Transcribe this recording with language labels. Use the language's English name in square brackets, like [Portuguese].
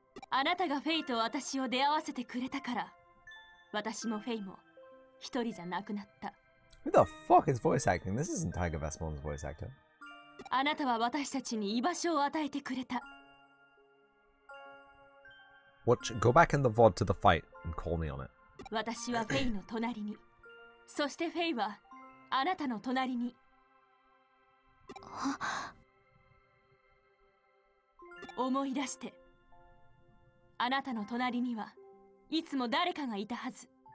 [Japanese] あなたがフェイと私を出会わせてくれたから、私もフェイも一人じゃなくなった。 [English] Who the fuck is voice acting? This isn't Tiger Vestmon's voice actor. [Japanese] あなたは私たちに居場所を与えてくれた。 [English] Watch, go back in the VOD to the fight and call me on it. [Japanese] 私はフェイの隣に、そしてフェイはあなたの隣に。思い出して、あなたの隣には。いつも誰かがいたはず。